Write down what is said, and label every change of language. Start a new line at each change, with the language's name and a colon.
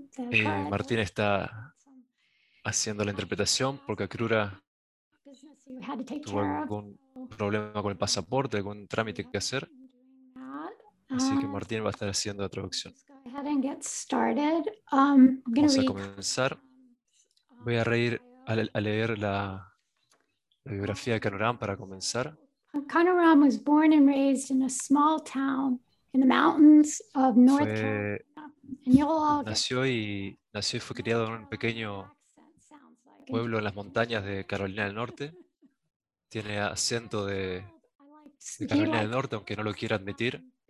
Spanish: Y Martín está haciendo la interpretación porque Akrura tuvo algún problema con el pasaporte, algún trámite que hacer. Así que Martín va a estar haciendo la traducción. Vamos a comenzar. Voy a reír a leer la biografía de Kanu Rama para comenzar.
English: Kanu Rama was born and raised in a small town in the mountains of North Carolina.
Spanish: Nació y fue criado en un pequeño pueblo en las montañas de Carolina del Norte. Tiene acento de Carolina del Norte, aunque no lo quiera admitir.